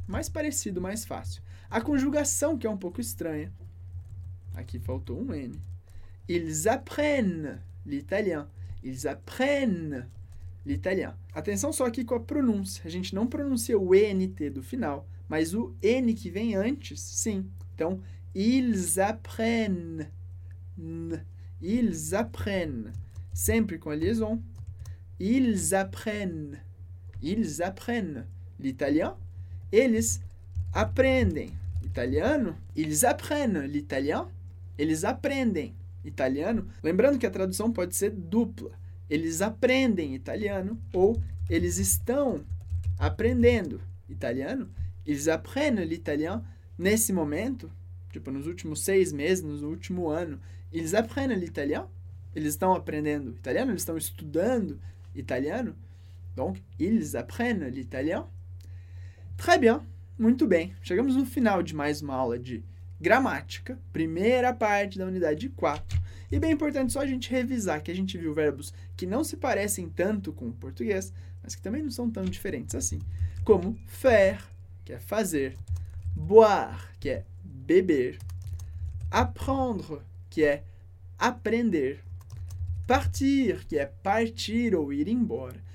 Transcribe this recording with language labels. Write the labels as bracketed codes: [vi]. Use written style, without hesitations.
[pt] Mais parecido, mais fácil. A conjugação, que é um pouco estranha. Aqui faltou um N. [fr] Ils apprennent l'italien. Ils apprennent l'italien. [pt] Atenção só aqui com a pronúncia. A gente não pronuncia o NT do final, mas o N que vem antes, sim. Então, [fr] ils apprennent. Ils apprennent. [pt] Sempre com a liaison. [fr] Ils apprennent. Ils apprennent l'italien. [pt] Eles aprendem italiano. [fr] Ils apprennent l'italien. [pt] Eles aprendem italiano. Lembrando que a tradução pode ser dupla. Eles aprendem italiano ou eles estão aprendendo italiano. Eles aprendem l'italien nesse momento, tipo nos últimos 6 meses, no último ano. Eles aprendem l'italien? Eles estão aprendendo italiano? Eles estão estudando italiano? [fr] Donc, ils apprennent l'italien. Très bien. [pt] Muito bem. Chegamos no final de mais uma aula de gramática, primeira parte da unidade 4. E bem importante só a gente revisar que a gente viu verbos que não se parecem tanto com o português, mas que também não são tão diferentes assim. Como faire, que é fazer, boire, que é beber, apprendre, que é aprender, partir, que é partir ou ir embora.